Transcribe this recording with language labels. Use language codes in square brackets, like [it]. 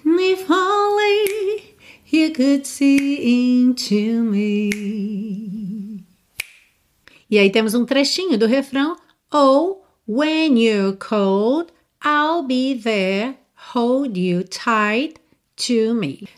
[en] If only you could see into me. [pt] E aí temos um trechinho do refrão. [en] Oh, when you're cold, I'll be there, hold you tight to me.